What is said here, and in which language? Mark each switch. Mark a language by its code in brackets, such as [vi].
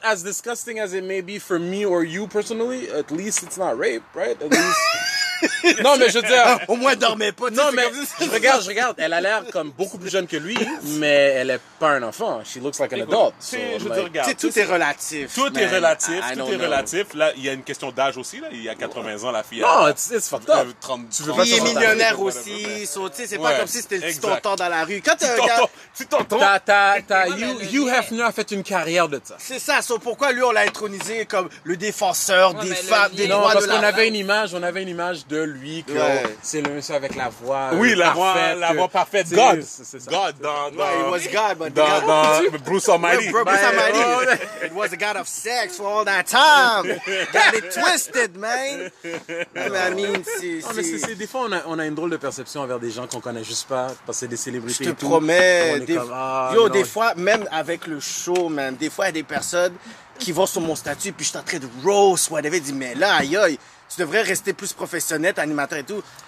[en] As disgusting as it may be for me or you personally, at least it's not rape, right? At least. [fr] Non, mais je veux dire. Au moins, dormez pas. Non, mais. Regarde. Elle a l'air comme beaucoup plus jeune que lui, mais elle est pas un enfant. [en] She looks like an adult. [fr] Tout est relatif. Là, il y a une question d'âge aussi. Là. Il y a 80 ans, la fille. Non, [en] it's fucked up. [fr] Il est millionnaire aussi. C'est pas comme si c'était le petit tonton dans la rue. Quand tu t'entends. Hugh Hefner a fait une carrière de ça. C'est ça. Pourquoi lui, on l'a intronisé comme le défenseur des femmes, des droits de l'homme? Parce qu'on avait une image. On avait une image de lui que c'est le monsieur avec la voix parfaite. God, c'est ça. God [en] it was God but Bruce Almighty. It was a God of sex for all that time. Got it twisted, man. [fr] Des fois on a une drôle de perception envers des gens qu'on connaît juste pas parce que c'est des célébrités. Je te promets, des fois même avec le show, man, des fois il y a des personnes qui vont sur mon statut puis je suis en train de [en] roast whatever, [fr] dit mais là aïe aïe, tu devrais rester plus professionnel, animateur et tout.